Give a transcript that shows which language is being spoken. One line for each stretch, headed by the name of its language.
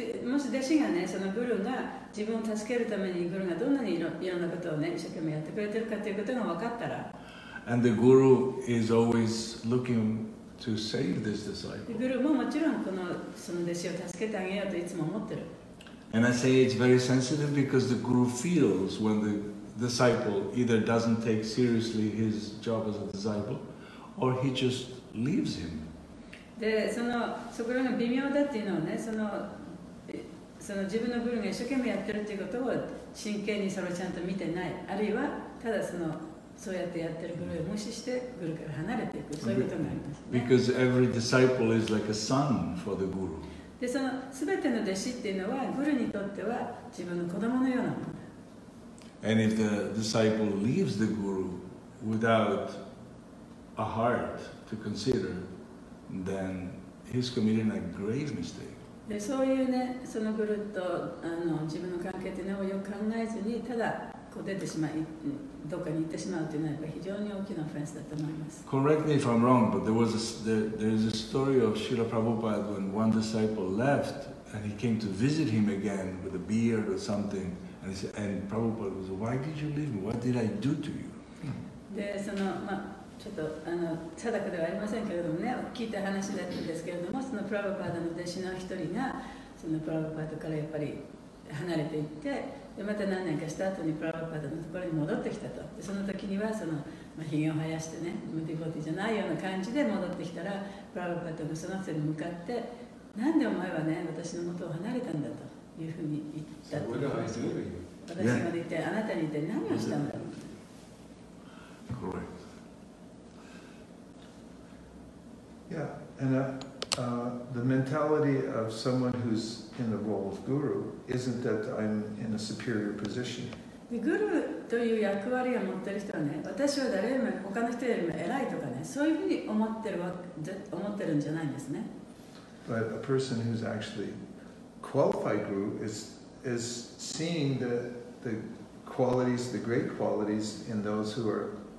Japanese: もし弟子がね、そのグルが自分を助けるためにグルがどんなにいろんなことをね、一生懸命やってくれてるかということが分かったら、
English: and the guru is always looking to save this disciple.
Japanese: Guru ももちろんこのその弟子を助けてあげようといつも思ってる。
English: And I say it's very sensitive because the guru feels when the disciple either doesn't take seriously his job as a disciple, or he just leaves him.
Japanese: で、そのそこが微妙だっていうのはね、その自分のグルが一生懸命やってるっていうことを真剣にそれをちゃんと見てない、あるいはただその。そうやってやってるグルを無視してグルから離れていく、そういうことがあります、ね。
English: Because every disciple is like a son for the guru.
Japanese: で、そのすべての弟子っていうのはグルにとっては自分の子供のようなもの。
English: And if the disciple leaves the guru without a heart to consider, then he's committing a grave mistake.
Japanese: で、そういうね、そのグルとあの自分の関係っていうのをよく考えずにただこう出てしまい、どこかに行ってしまうというのは非常に大きなオフェンスだと思います。
English: Correct me if I'm wrong, but there is a story of Srila Prabhupada when one disciple left and he came to visit him again with a beard or something, and he said, and Prabhupada was, why did you leave me? What did I do to you?
Japanese: で、そのまあちょっとあの定かではありませんけれどもね、聞いた話だったんですけれども、そのプラヴァパーダの弟子の一人がそのプラヴァパーダからやっぱり離れていって。でまた何年かした後にプラヴァパーダのところに戻ってきたと。でその時にはその、まあ、ヒゲを生やしてね、ムディボディじゃないような感じで戻ってきたら、プラヴァパーダがその人に向かって、なんでお前はね、私の元を離れたんだというふうに言ったと。
English: So、
Japanese: 私まで言って、あなたに言って何をしたんだろう。
English: Correct. Yeah, and the mentality of someone who's in the role of guru isn't that I'm in a superior position.
Japanese: Guru という役割を持っている人はね、私は誰よりも他の人よりも偉いとかね、そういうふうに思ってるんじゃないんですね。
English: But a person who's actually qualified guru is seeing the qualities, the great qualities in those who are